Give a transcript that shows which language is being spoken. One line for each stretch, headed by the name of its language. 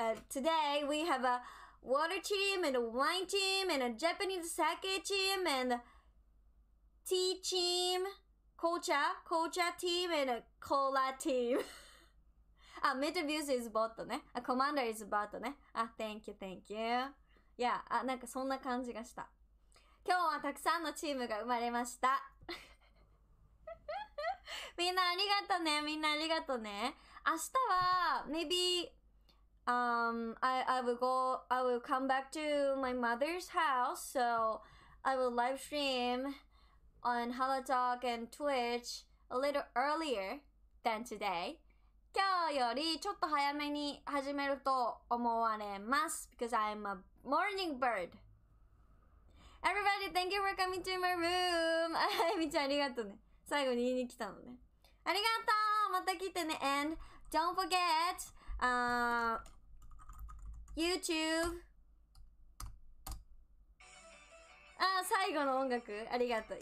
English: Today we have a water team and a wine team and a Japanese sake team and tea team, kocha team and a cola team.
Japanese: あ、メタビュースイズボットね。あ、コマンダーイズボットね。あ、
English: Thank you. Yeah,
Japanese: あ、なんかそんな感じがした。今日はたくさんのチームが生まれました。みんなありがとうね。みんなありがとうね。明日は、
English: maybe, I will come back to my mother's house, so I will live stream on HoloTalk and Twitch a little earlier than today.
Japanese: 今日よりちょっと早めに始めると思われます。
English: Because I'm a morning bird. Everybody, thank you for coming to my room.
Japanese: あ、エミちゃんありがとうね。最後に言いに来たのね。ありがとう。また来てね。
English: And don't forget, YouTube。
Japanese: あ、最後の音楽ありがとう。